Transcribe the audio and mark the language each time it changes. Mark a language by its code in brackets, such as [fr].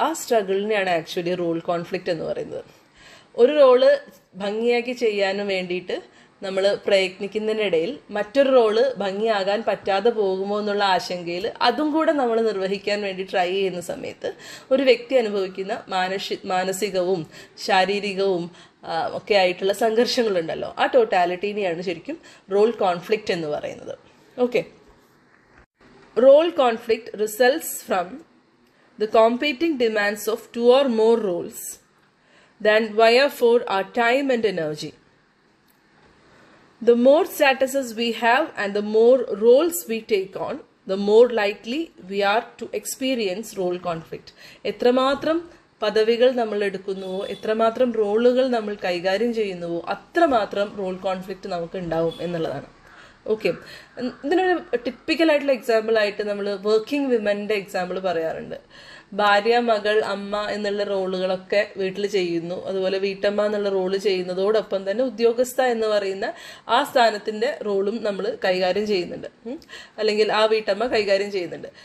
[ml] ആ സ്ട്രഗിളിനെയാണ് actually role conflict എന്ന് പറയുന്നത്. ഒരു റോള് ഭംഗിയാക്കി ചെയ്യാനും വേണ്ടിയിട്ട് നമ്മൾ പ്രയത്നിക്കുന്നതിനിടയിൽ മറ്റൊരു റോള് ഭംഗിയാകാൻ പറ്റാതെ പോകുമോ എന്നുള്ള ആശങ്കയിൽ അതും കൂടെ നമ്മൾ നിർവഹിക്കാൻ വേണ്ടി ട്രൈ ചെയ്യുന്ന സമയത്ത് ഒരു വ്യക്തി അനുഭവിക്കുന്ന മാനസികവും ശാരീരികവും ഒക്കെ ആയിട്ടുള്ള സംഘർഷങ്ങളുണ്ടല്ലോ, ആ ടോട്ടാലിറ്റീനെയാണ് ശരിക്കും റോൾ കോൺഫ്ലിക്റ്റ് എന്ന് പറയുന്നത്. [en] Okay, role conflict results from the competing demands of two or more roles than wherefore our time and energy. The more statuses we have and the more roles we take on, the more likely we are to experience role conflict. [ml] എത്രമാത്രം പദവികൾ നമ്മൾ എടുക്കുന്നുവോ, എത്രമാത്രം റോളുകൾ നമ്മൾ കൈകാര്യം ചെയ്യുന്നുവോ, അത്രമാത്രം role conflict നമുക്ക് ഉണ്ടാവും എന്നുള്ളതാണ്. ഓക്കെ, ഇതിനൊരു ടിപ്പിക്കലായിട്ടുള്ള എക്സാമ്പിളായിട്ട് നമ്മൾ വർക്കിംഗ് വിമൻ്റെ എക്സാമ്പിൾ പറയാറുണ്ട്. ഭാര്യ, മകൾ, അമ്മ എന്നുള്ള റോളുകളൊക്കെ വീട്ടിൽ ചെയ്യുന്നു, അതുപോലെ വീട്ടമ്മ എന്നുള്ള റോള് ചെയ്യുന്നതോടൊപ്പം തന്നെ ഉദ്യോഗസ്ഥ എന്ന് പറയുന്ന ആ സ്ഥാനത്തിൻ്റെ റോളും നമ്മൾ കൈകാര്യം ചെയ്യുന്നുണ്ട്, അല്ലെങ്കിൽ ആ വീട്ടമ്മ കൈകാര്യം ചെയ്യുന്നുണ്ട്.